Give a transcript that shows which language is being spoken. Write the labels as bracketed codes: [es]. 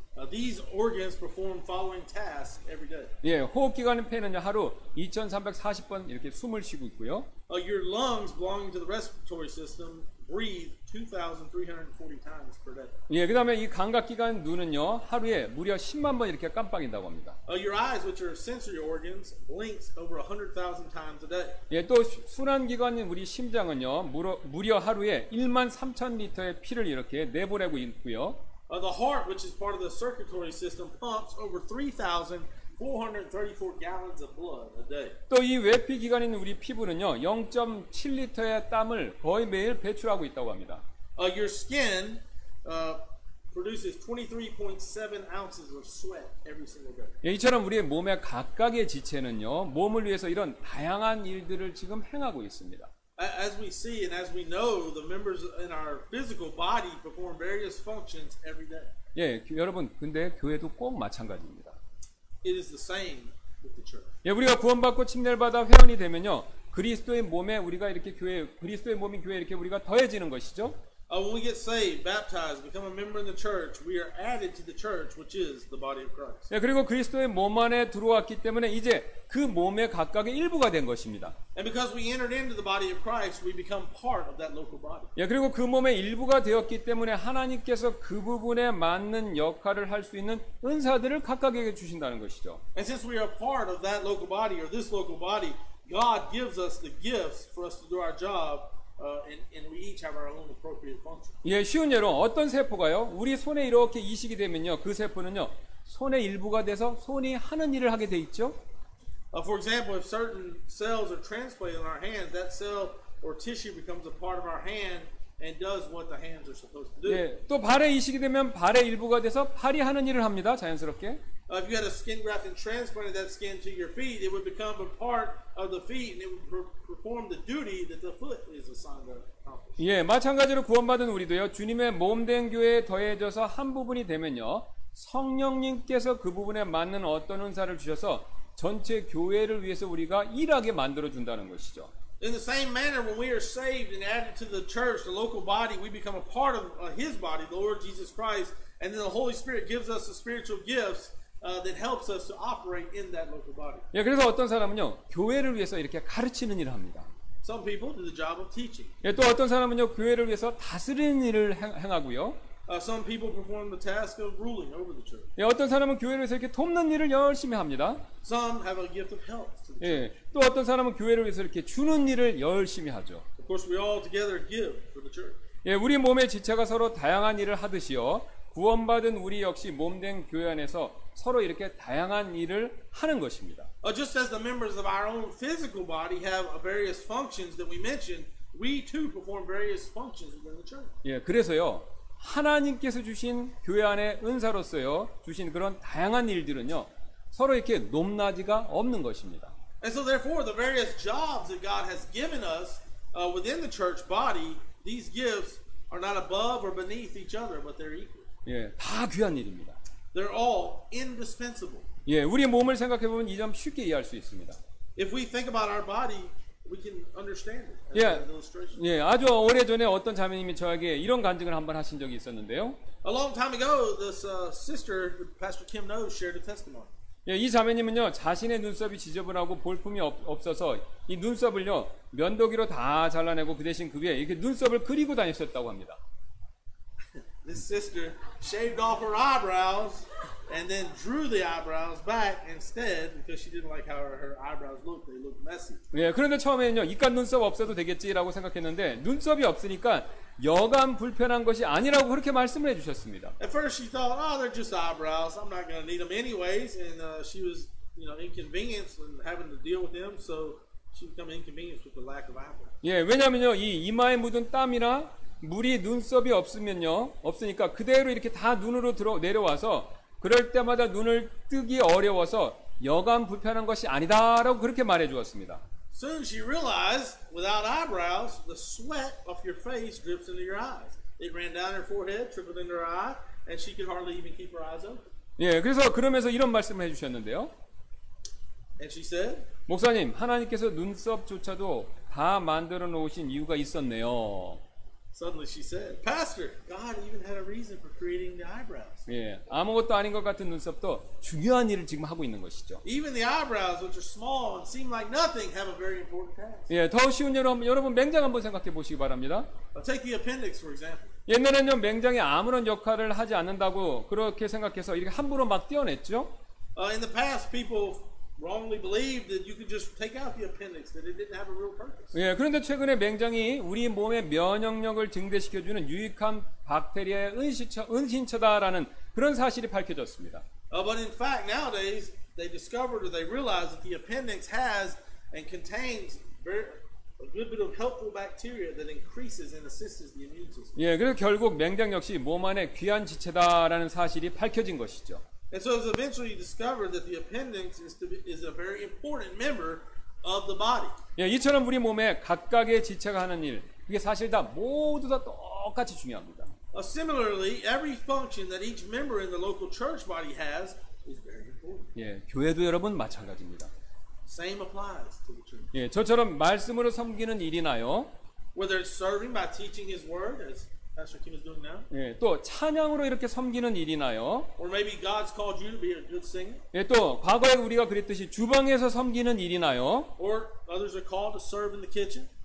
[en] These organs perform following tasks every day. [ko] 예, 호흡 기관의 폐는 하루 2340번 이렇게 숨을 쉬고 있고요. [en] Your lungs belonging to the respiratory system breathe 2340 times per day. [ko] 예, 그다음에 이 감각 기관 눈은요. 하루에 무려 10만 번 이렇게 깜빡인다고 합니다. [en] Your eyes which are sensory organs blinks over 100,000 times a day. [ko] 예, 또 순환 기관인 우리 심장은요. 무려 하루에 13,000리터의 피를 이렇게 내보내고 있고요. [en] The heart, which is part of the circulatory system, pumps over 3,434 gallons of blood a day. [ko] 또 이 외피 기관인 우리 피부는요, 0.7리터의 땀을 거의 매일 배출하고 있다고 합니다. [en] Your skin produces 23.7 ounces of sweat every single day. [ko] 예, 이처럼 우리의 몸의 각각의 지체는요, 몸을 위해서 이런 다양한 일들을 지금 행하고 있습니다. [en] As we see and as we know, the members in our physical body perform various functions every day. [ko] 예, 여러분, 근데 교회도 꼭 마찬가지입니다. [en] It is the same with the church. [ko] 예, 우리가 구원받고 침례를 받아 회원이 되면요, 그리스도의 몸에 우리가 이렇게 교회, 그리스도의 몸인 교회 이렇게 우리가 더해지는 것이죠. [en] When we get saved, baptized, become a member in the church, we are added to the church, which is the body of Christ. [ko] 예, 그리고 그리스도의 몸 안에 들어왔기 때문에 이제 그 몸의 각각의 일부가 된 것입니다. [en] And because we entered into the body of Christ, we become part of that local body. [ko] 예, 그리고 그 몸의 일부가 되었기 때문에 하나님께서 그 부분에 맞는 역할을 할 수 있는 은사들을 각각에게 주신다는 것이죠. [en] And since we are part of that local body or this local body, God gives us the gifts for us to do our job. And we each have our own appropriate function. [ko] 예, 쉬운 예로 어떤 세포가요? 우리 손에 이렇게 이식이 되면요, 그 세포는요, 손의 일부가 돼서 손이 하는 일을 하게 돼 있죠. [en] For example, if certain cells are transplanted in our hands, that cell or tissue becomes a part of our hand and does what the hands are supposed to do. [ko] 예, 또 발에 이식이 되면 발의 일부가 돼서 발이 하는 일을 합니다, 자연스럽게. [en] If you had a skin graft and transplanted that skin to your feet, it would become a part of the feet, and it would perform the duty that the foot is assigned to accomplish. [ko] 예, 마찬가지로 구원받은 우리도요, 주님의 몸된 교회에 더해져서 한 부분이 되면요, 성령님께서 그 부분에 맞는 어떤 은사를 주셔서 전체 교회를 위해서 우리가 일하게 만들어 준다는 것이죠. [en] In the same manner, when we are saved and added to the church, the local body, we become a part of His body, the Lord Jesus Christ, and then the Holy Spirit gives us the spiritual gifts. That helps us to operate in that local body. [ko] 예, 그래서 어떤 사람은요 교회를 위해서 이렇게 가르치는 일을 합니다. [en] Some people do the job of teaching. [ko] 예, 또 어떤 사람은요 교회를 위해서 다스리는 일을 행하고요. [en] Some people perform the task of ruling over the church. [ko] 예, 어떤 사람은 교회를 위해서 이렇게 돕는 일을 열심히 합니다. [en] Some have a gift of help to the church. [ko] 예, 또 어떤 사람은 교회를 위해서 이렇게 주는 일을 열심히 하죠. [en] Of course, we all together give for the church. [ko] 예, 우리 몸의 지체가 서로 다양한 일을 하듯이요. 구원받은 우리 역시 몸된 교회 안에서 서로 이렇게 다양한 일을 하는 것입니다. [en] Just as the members of our own physical body have various functions that we mentioned, we too perform various functions within the church. [ko] 예, 그래서요. 하나님께서 주신 교회 안에 은사로서요. 주신 그런 다양한 일들은요. 서로 이렇게 높낮이가 없는 것입니다. [en] And so therefore the various jobs that God has given us within the church body, these gifts are not above or beneath each other, but they're equal. [ko] 예, 다 귀한 일입니다. [en] They're all indispensable. [ko] 예, 우리 몸을 생각해 보면 이 점 쉽게 이해할 수 있습니다. [en] If we think about our body, we can understand it. As 예, an illustration. [ko] 예, 아주 오래 전에 어떤 자매님이 저에게 이런 간증을 한번 하신 적이 있었는데요. [en] A long time ago, this sister, Pastor Kim No, shared a testimony. [ko] 예, 이 자매님은요 자신의 눈썹이 지저분하고 볼품이 없어서 이 눈썹을요 면도기로 다 잘라내고 그 대신 그 위에 이렇게 눈썹을 그리고 다녔었다고 합니다. [en] This sister shaved off her eyebrows and then drew the eyebrows back instead because she didn't like how her eyebrows looked. They looked messy. [ko] 예, 그런데 처음에는요, 이깟 눈썹 없어도 되겠지라고 생각했는데 눈썹이 없으니까 여간 불편한 것이 아니라고 그렇게 말씀을 해주셨습니다. [en] At first she thought, oh, they're just eyebrows. I'm not going to need them anyways. And she was, you know, inconvenienced and having to deal with them, so she became inconvenienced with the lack of eyebrows. [ko] 예, 왜냐면요, 이 이마에 묻은 땀이나 물이 눈썹이 없으면요 없으니까 그대로 이렇게 다 눈으로 내려와서 그럴 때마다 눈을 뜨기 어려워서 여간 불편한 것이 아니다라고 그렇게 말해 주었습니다. [en] Soon she realized, without eyebrows, the sweat of your face drips into your eyes. It ran down her forehead, trickled into her eye, and she could hardly even keep her eyes open. [ko] 예, 그래서 그러면서 이런 말씀을 해주셨는데요. [en] And she said, [ko] 목사님, 하나님께서 눈썹조차도 다 만들어 놓으신 이유가 있었네요. [en] Suddenly she said, Pastor, God even had a reason for creating the eyebrows. [ko] 예, 아무것도 아닌 것 같은 눈썹도 중요한 일을 지금 하고 있는 것이죠. [en] Even the eyebrows, which are small and seem like nothing, have a very important task. [ko] 예, 더 쉬운 여러분 맹장 한번 생각해 보시기 바랍니다. [en] I'll take the appendix for example. [ko] 옛날에는요, 맹장이 아무런 역할을 하지 않는다고 그렇게 생각해서 이렇게 함부로 막 떼어냈죠. [en] In the past, people wrongly believed that you could just take out the appendix, that it didn't have a real purpose. [ko] 예, 그런데 최근에 맹장이 우리 몸의 면역력을 증대시켜주는 유익한 박테리아의 은신처다라는 그런 사실이 밝혀졌습니다. [en] But in fact, nowadays they discovered or they realized that the appendix has and contains a good bit of helpful bacteria that increases and assists the immune system. [ko] 예, 그래서 결국 맹장 역시 몸 안에 귀한 지체다라는 사실이 밝혀진 것이죠. [en] And so it's eventually discovered that the appendix is a very important member of the body. [ko] 예, 이처럼 우리 몸에 각각의 지체가 하는 일, 그게 사실 다 모두 다 똑같이 중요합니다. [en] Similarly, every function that each member in the local church body has is very important. [ko] 예, 교회도 여러분 마찬가지입니다. [en] Same applies to the church. [ko] 예, 저처럼 말씀으로 섬기는 일이나요. [en] Whether it's serving by teaching His word, as Pastor Kim is doing now. [ko] 예, 또 찬양으로 이렇게 섬기는 일이나요. [en] Or maybe God's called you to be a good singer. [ko] 예, 또 과거에 우리가 그랬듯이 주방에서 섬기는 일이나요. [en] Or others are called to serve in the kitchen.